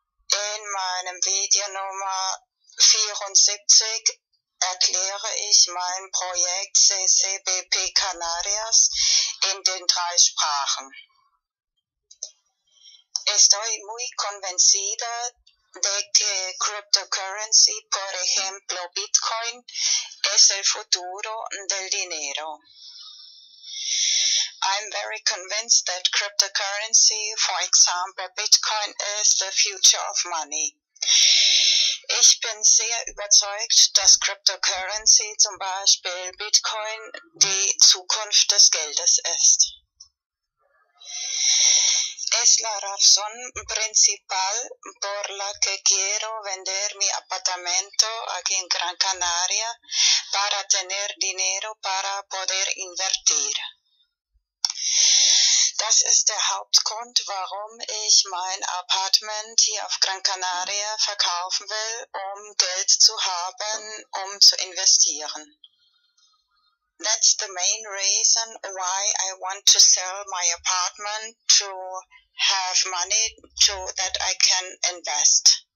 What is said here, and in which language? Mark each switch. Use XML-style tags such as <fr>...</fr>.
<de>In meinem Video Nummer 74 erkläre ich mein Projekt CCBP Canarias in den drei Sprachen.</de> <es>Estoy muy convencida de que cryptocurrency, por ejemplo Bitcoin, es el futuro del dinero.</es> <en>I'm very convinced that cryptocurrency, for example Bitcoin, is the future of money.</en> <de>Ich bin sehr überzeugt, dass cryptocurrency, zum Beispiel Bitcoin, die Zukunft des Geldes ist.</de> <es>Es la razón principal por la que quiero vender mi apartamento aquí en Gran Canaria para tener dinero para poder invertir.</es> <de>Das ist der Hauptgrund, warum ich mein Apartment hier auf Gran Canaria verkaufen will, um Geld zu haben, um zu investieren.</de> <en>That's the main reason why I want to sell my apartment to have money so that I can invest.</en>